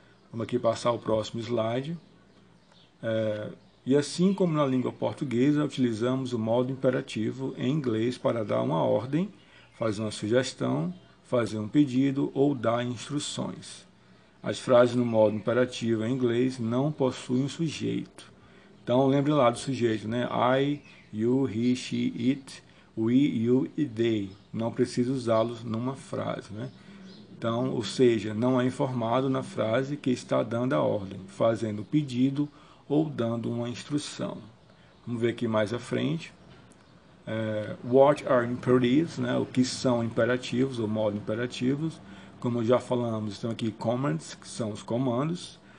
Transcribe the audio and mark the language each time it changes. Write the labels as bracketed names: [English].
[Portuguese] Vamos aqui passar o próximo slide. E assim como na língua portuguesa, utilizamos o modo imperativo em inglês para dar uma ordem, fazer uma sugestão, fazer um pedido ou dar instruções. As frases no modo imperativo em inglês não possuem um sujeito. Então, lembre lá do sujeito, né? I, you, he, she, it, we, you e they. Não precisa usá-los numa frase, né? Então, ou seja, não é informado na frase que está dando a ordem, fazendo o pedido ou dando uma instrução. Vamos ver aqui mais à frente. [English] What are imperatives, [Portuguese] né? O que são imperativos ou modo imperativos? Como já falamos, estão aqui commands, que são os comandos.